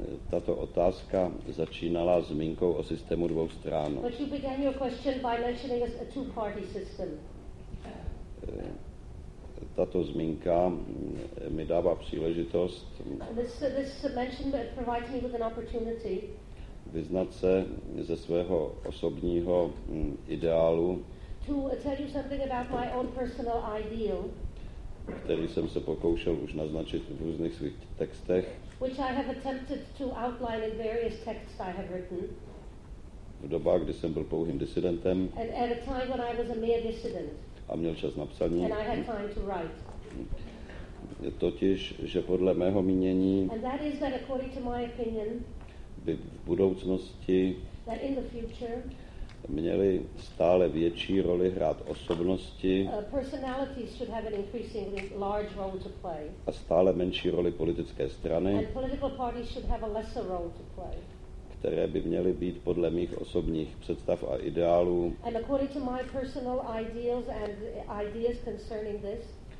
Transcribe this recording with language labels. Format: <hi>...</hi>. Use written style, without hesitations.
<cs>Tato otázka začínala zmínkou o systému dvou stran.</cs> <en>But you began your question by mentioning a two-party system.</en> <cs>Tato zmínka mi dává příležitost.</cs> <en>This mention provides me with an opportunity.</en> <cs>Vyznat se ze svého osobního ideálu.</cs> <en>To tell you something about my own personal ideal,</en> <cs>který jsem se pokoušel už naznačit v různých svých textech,</cs> <en>which I have attempted to outline in various texts I have written,</en> <cs>v dobách, kdy jsem byl pouhým disidentem,</cs> <en>and at a time when I was a mere dissident,</en> <cs>a měl čas na psaní,</cs> <en>and I had time to write.</en> <cs>Totiž, že podle mého mínění,</cs> <en>and that is that according to my opinion,</en> <cs>by v budoucnosti,</cs> <en>that in the future,</en> <cs>měly stále větší roli hrát osobnosti</cs> <en>personalities should have an increasingly large role to play,</en> <cs>a stále menší roli politické strany,</cs> <en>and political parties should have a lesser role to play,</en> <cs>které by měly být podle mých osobních představ a ideálů,</cs> <en>and according to my personal ideals and ideas concerning this,</en>